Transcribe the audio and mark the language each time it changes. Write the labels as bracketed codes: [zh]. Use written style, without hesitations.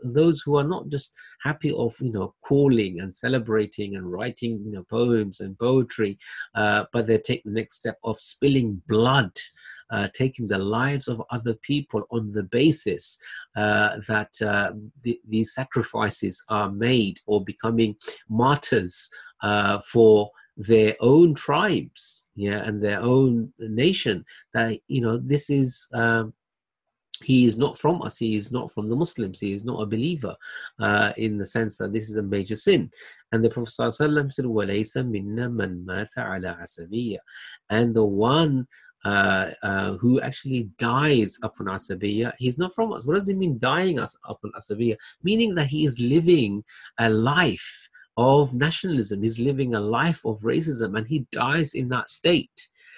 [en] Those who are not just happy of, calling and celebrating and writing, poems and poetry, but they take the next step of spilling blood, taking the lives of other people on the basis that these sacrifices are made, or becoming martyrs for their own tribes, and their own nation. That, this is, he is not from us, he is not from the Muslims, he is not a believer, in the sense that this is a major sin. And the Prophet ﷺ said, [ar] وَلَيْسَ مِنَّا مَنْ مَاتَ عَلَىٰ عَسَبِيَّ. [en] And the one who actually dies upon asabiyya, he's not from us. What does it mean, dying us upon asabiyya? Meaning that he is living a life of nationalism, he's living a life of racism, and he dies in that state.